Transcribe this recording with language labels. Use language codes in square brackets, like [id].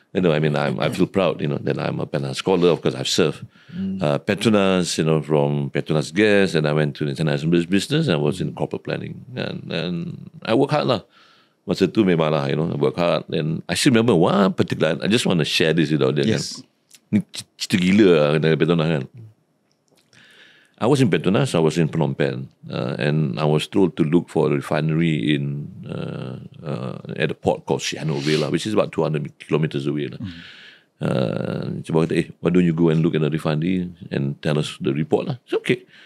[en] You know, I mean, I feel proud, you know, that I'm a Petronas scholar. Of course, I've served Petronas, you know, from Petronas Gas, and I went to international business and I was in corporate planning. And I work hard lah. [ms] Masa tu memang lah, [en] you know, I work hard. And I still remember one particular, I just want to share this with audience. Yes. [ms] Ni cerita gila lah dengan Petronas kan. [en] I was in Petronas, I was in Phnom Penh, and I was told to look for a refinery in at a port called Sihanoukville, which is about 200 kilometers away. [ms] Cuba kata, [en] why don't you go and look at the refinery and tell us the report lah. It's okay.